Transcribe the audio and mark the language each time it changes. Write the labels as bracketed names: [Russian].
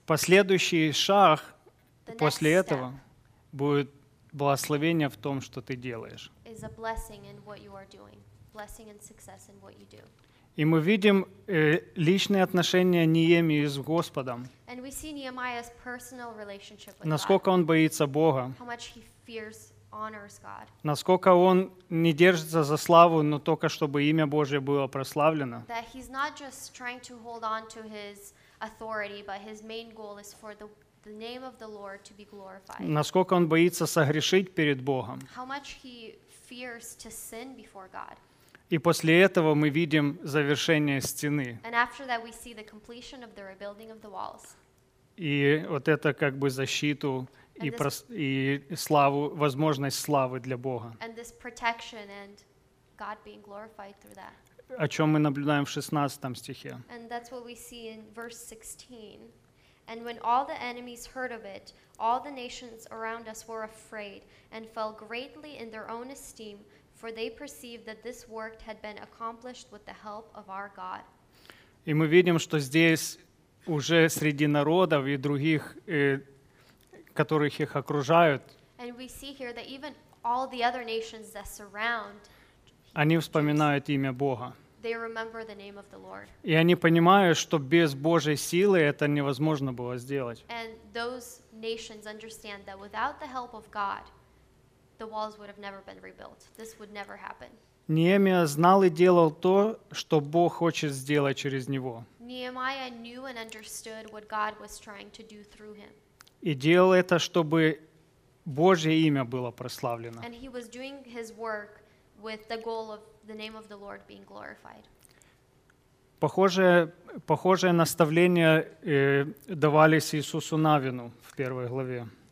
[Russian] Последующий шаг после этого будет благословение в том, что ты делаешь. [English] Is a blessing in what you are doing. Blessing and success in what you do. [Russian] И мы видим личные отношения Неемии с Господом. [English] And we see Nehemiah's personal relationship with [Russian] Насколько он боится Бога. [English] How much he fears honors God. [Russian] Насколько он не держится за славу, но только чтобы имя Божье было прославлено. [English] That he's not just trying to hold on to his authority, but his main goal is for the name of the Lord to be glorified. [Russian] Насколько он боится согрешить перед Богом. [English] How much he fears to sin before God. [Russian] И после этого мы видим завершение стены. [English] And after that we see the completion of the rebuilding of the walls. [Russian] И вот это как бы защиту и славу, возможность славы для Бога. [English] And this protection and God being glorified through that. [Russian] О чем мы наблюдаем в 16 стихе. [English] And that's what we see in verse 16. And when all the enemies heard of it, all the nations around us were afraid and fell greatly in their own esteem, for they perceived that this work had been accomplished with the help of our God. [Russian] И мы видим, что здесь уже среди народов и других, которых их окружают, [English] and we see here that even all the other nations that surround, [Russian] они вспоминают имя Бога. [English] They remember the name of the Lord. [Russian] И они понимают, что без Божьей силы это невозможно было сделать. [English] And those nations understand that without the help of God, the walls would have never been rebuilt. This would never happen. [Russian] Неемия знал и делал то, что Бог хочет сделать через него. [English] Nehemiah knew and understood what God was trying to do through him. [Russian] И делал это, чтобы Божье имя было прославлено. [English] And he was doing his work with the goal of the name of the Lord being glorified. [Russian] Похожие наставления давались Иисусу Навину в первой главе.